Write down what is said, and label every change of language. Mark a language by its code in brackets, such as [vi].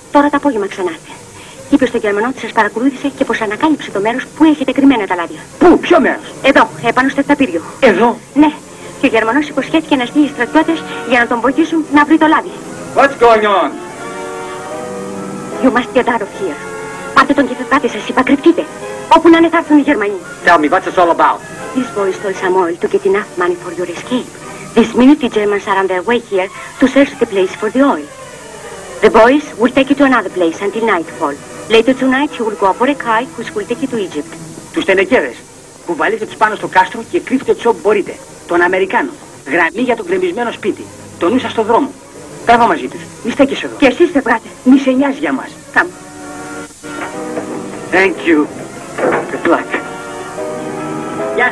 [el] Τώρα το απόγευμα ξανάρθε. Είπε στον Γερμανό ότι σας παρακολούθησε και πως ανακάλυψε το μέρος που έχετε κρυμμένα τα λάδια. Πού, ποιο μέρος? Εδώ, επάνω στο εκταπύριο. Εδώ? Ναι, και ο Γερμανός υποσχέθηκε να στείλει στρατιώτες για να τον βοηθήσουν να βρει το λάδι. [en] What's going on? You must get out of here. [el] Πάτε τον και φεύγατε, σας είπα, κρυφτείτε. Όπου να είναι θα έρθουν οι Γερμανοί. [en] Tell me, what's this all about? This boy stole some oil to get enough money for your escape. This minute the Germans are on their way here to search the place for the oil. The boys will take you to another place until nightfall. Later tonight you will go for a guy who will take you to Egypt. [el] Τους τενεκέδες. Κουβαλείτε τους πάνω στο κάστρο και κρύφτε τους όπου μπορείτε. Τον Αμερικάνο. Γραμμή για τον κρεμισμένο σπίτι. Το νου σας στο δρόμο. Τράβα μαζί τους. Μη στέκεσαι εδώ. Και εσείς φεύγατε. Μη σε νοιάζει για μας. [en] Come. Thank you. Good luck. [el] Γεια